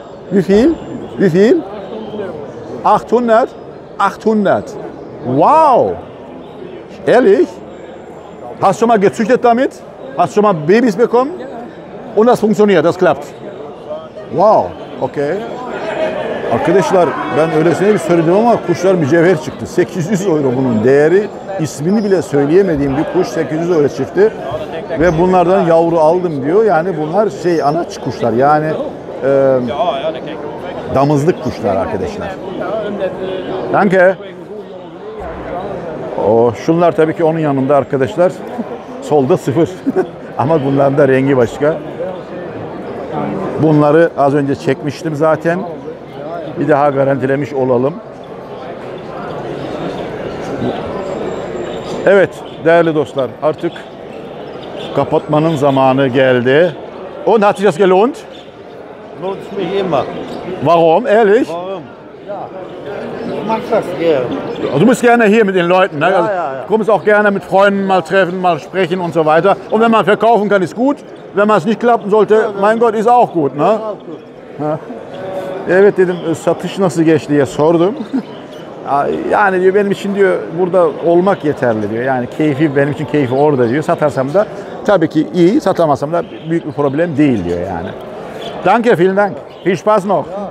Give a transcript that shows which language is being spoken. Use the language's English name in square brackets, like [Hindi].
[German] Wie viel? Wie viel? 800? 800. Wow! Ehrlich? Hast du schon mal gezüchtet damit? Hast du schon mal Babys bekommen? Und das funktioniert, das klappt. Wow, okay. [Turkish] Arkadaşlar, ben öylesine bir söyledim ama kuşlar mücevher çıktı. 800 euro bunun değeri. İsmini bile söyleyemediğim bir kuş 800 euro çıktı. Ve bunlardan yavru aldım diyor. Yani bunlar şey, anaç kuşlar. Yani damızlık kuşlar arkadaşlar. Danke. Oh, şunlar tabii ki onun yanında arkadaşlar. Solda sıfır. Ama bunların da rengi başka. Bunları az önce çekmiştim zaten. Bir daha garantilemiş olalım. Evet değerli dostlar, artık kapatmanın zamanı geldi. [German] Und hat sich das gelohnt? Lohnt mich immer. Warum? Ehrlich? Warum? Ja. Ich mach das gerne. Du bist gerne hier mit den Leuten, ne? Ja, also, ja, ja. Kommst auch gerne mit Freunden mal treffen, mal sprechen und so weiter. Und wenn man verkaufen kann, ist gut. Wenn man es nicht klappen sollte, ja, mein Gott, ist auch gut, ne? Ist auch gut. Ja. [Turkish] Evet dedim, satış nasıl geçti diye sordum. Yani diyor, benim için diyor burada olmak yeterli diyor. Yani keyfi, benim için keyfi orada diyor. Satarsam da tabii ki iyi, satamasam da büyük bir problem değil diyor yani. [German] Danke, vielen Dank. Viel Spaß noch.